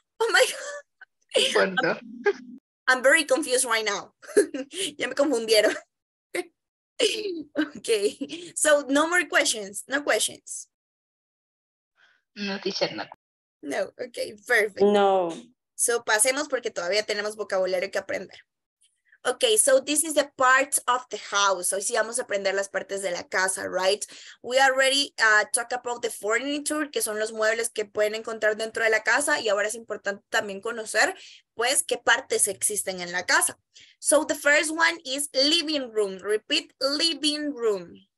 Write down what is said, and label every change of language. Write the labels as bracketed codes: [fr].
[en] Oh my God. I'm very confused right now. [es] Ya me confundieron. [en] Okay. So no more questions. No questions. No teacher, no. No. Okay. Perfect. No. [es] So pasemos porque todavía tenemos vocabulario que aprender. [en] Okay, so this is the part of the house. [es] Hoy sí vamos a aprender las partes de la casa, right? [en] We already talked about the furniture, [es] que son los muebles que pueden encontrar dentro de la casa. Y ahora es importante también conocer, pues, qué partes existen en la casa. [en] So the first one is living room. Repeat, living room.